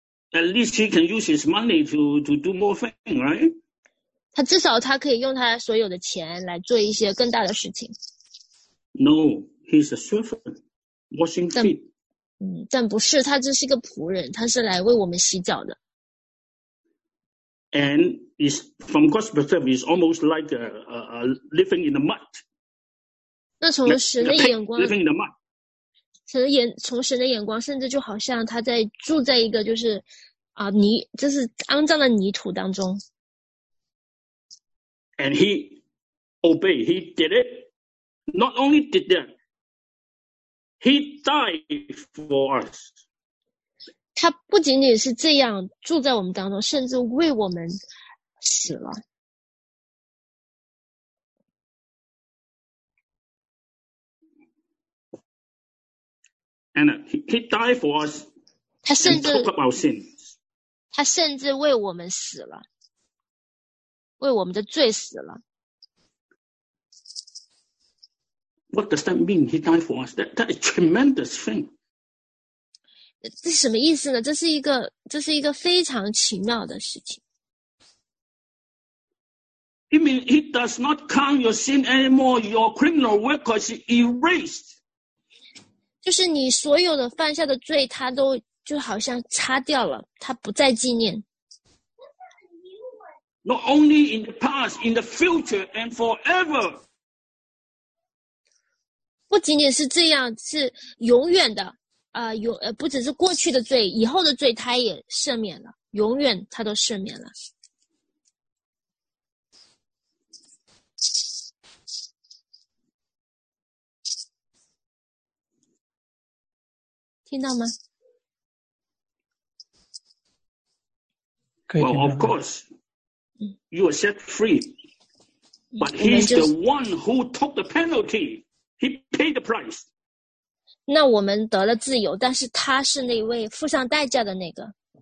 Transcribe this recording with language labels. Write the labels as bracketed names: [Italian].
[English] At least he can use his money to do more things, right? [Chinese] 他至少他可以用他所有的钱来做一些更大的事情。 [English] No, he's a servant, washing feet. [Chinese] 但不是，他只是一个仆人，他是来为我们洗脚的。 [English] And is from God's perspective, is almost like a living in the mud. [Chinese] 那从神的眼光，甚至就好像他在住在一个就是泥，就是肮脏的泥土当中。 [English] And he obeyed, he did it. Not only did that, he died for us. [Chinese] 他不仅仅是这样住在我们当中，甚至为我们死了。 [English] And he died for us. And took up our sins. [Chinese] 他甚至为我们死了，为我们的罪死了。 [English] What does that mean? He died for us. That is a tremendous thing. [Chinese] 这什么意思呢？这是一个非常奇妙的事情。 [English] You mean he does not count your sin anymore. Your criminal record is erased. [Chinese] 就是你所有的犯下的罪，他都就好像擦掉了，他不再纪念。 [English] Not only in the past, in the future, and forever. [Chinese] 不仅仅是这样，是永远的。不只是过去的罪，以后的罪他也赦免了，永远他都赦免了。听到吗？可以听到吗？ [English] Well, of course, you are set free, but he's the one who took the penalty. He paid the price. [Chinese] 那我们得了自由，但是他是那位付上代价的那个。